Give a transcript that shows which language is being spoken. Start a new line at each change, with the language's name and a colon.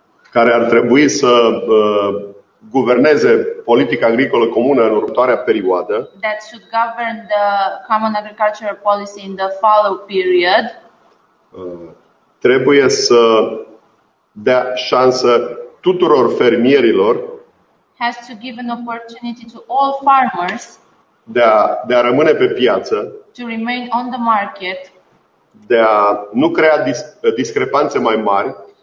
Romanian: Care ar trebui să guverneze politica agricolă comună în următoarea perioadă.
English: That should govern the common agricultural policy in the follow period.
Romanian: Trebuie să dea șansă tuturor fermierilor.
English: Has to give an opportunity to all farmers.
Romanian: De a rămâne pe piață.
English: To remain on the market.
Romanian: De a nu crea discrepanțe mai mari.